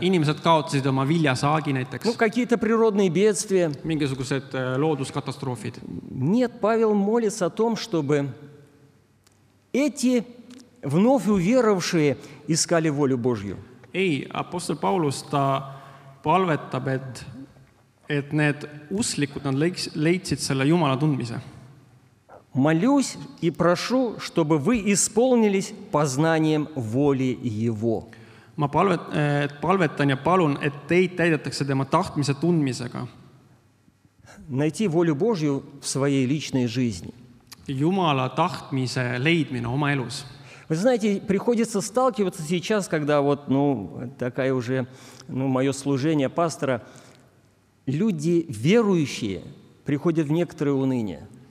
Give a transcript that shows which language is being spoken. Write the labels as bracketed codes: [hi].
[et] Inimesed kaotasid oma viljasaagi näiteks. [ru] Какие-то природные бедствия. [et] Mingisugused looduskatastroofid. [ru] Нет, Павел молится о том, чтобы эти вновь уверовавшие искали волю Божью. [et] Ei, апостол Паулус ta palvetab, et need uslikud nad leidsid selle Jumala tundmise. [ru] Молюсь и прошу, чтобы вы исполнились познанием воли Его. [et] Ma palvetan ja palun, et teid täidetakse tema tahtmise tundmisega. [ru] Найти волю Божью в своей личной жизни. [et] Jumala tahtmise leidmine oma elus. [ru] Вы знаете, приходится сталкиваться сейчас, когда такая уже, мое служение пастора, люди верующие приходят в некоторые уныния.